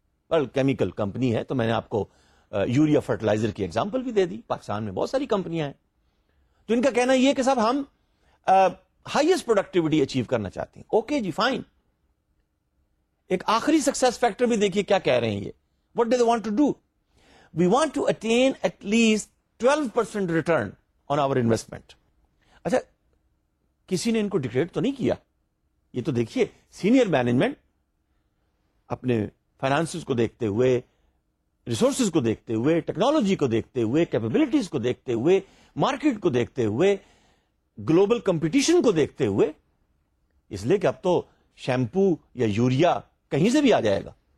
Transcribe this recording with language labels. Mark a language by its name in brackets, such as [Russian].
[Urdu] Well, chemical company ہے تو میں نے آپ کو یوریا فرٹیلائزر کی ایگزامپل بھی دے دی. پاکستان میں بہت ساری کمپنیاں ہیں. تو ان کا کہنا یہ کہ صاحب ہم ہائیسٹ پروڈکٹیوٹی اچیو کرنا چاہتے ہیں. اوکے جی فائن. ایک آخری سکسیس فیکٹر بھی دیکھیے کیا کہہ رہے ہیں یہ. [English] What do they want to do? We want to attain at least 12% return on our investment. [Urdu] اچھا کسی نے ان کو ڈکلیئر تو نہیں کیا. یہ تو دیکھیے سینئر مینجمنٹ اپنے فائنانسز کو دیکھتے ہوئے، ریسورسز کو دیکھتے ہوئے، ٹیکنالوجی کو دیکھتے ہوئے، کیپیبلٹیز کو دیکھتے ہوئے، مارکیٹ کو دیکھتے ہوئے، گلوبل کمپٹیشن کو دیکھتے ہوئے، اس لیے کہ اب تو شیمپو یا یوریا کہیں سے بھی آ جائے گا.